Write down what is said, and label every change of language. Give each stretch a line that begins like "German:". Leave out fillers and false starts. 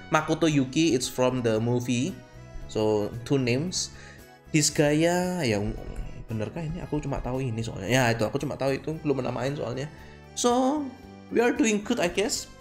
English: Makoto Yuki, it's from the movie. So, two names. Hisgaya,
Indonesian: ya benerkah ini? Aku cuma tahu ini soalnya. Ya, itu aku cuma tahu itu, belum pernah main soalnya.
English: So, we are doing good, I guess.